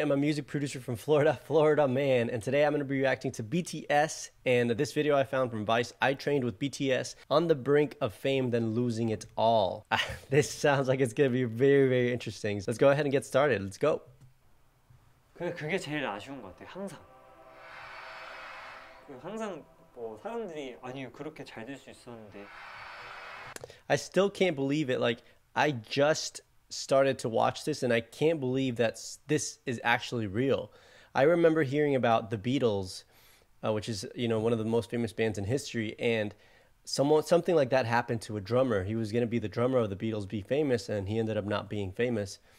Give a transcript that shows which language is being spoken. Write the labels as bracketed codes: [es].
[en] I'm a music producer from Florida, Florida man. And today I'm going to be reacting to BTS and this video I found from Vice. I trained with BTS on the brink of fame, then losing it all. This sounds like it's going to be very, very interesting. So let's go ahead and get started. Let's go. [ko] 그게 제일 아쉬운 것 같아. 항상. 항상 뭐 사람들이 아니 그렇게 잘 될 수 있었는데. [en] I still can't believe it. Like I just started to watch this and I can't believe that this is actually real. I remember hearing about the Beatles, which is, you know, one of the most famous bands in history, and something like that happened to a drummer. He was going to be the drummer of the Beatles, be famous, and he ended up not being famous.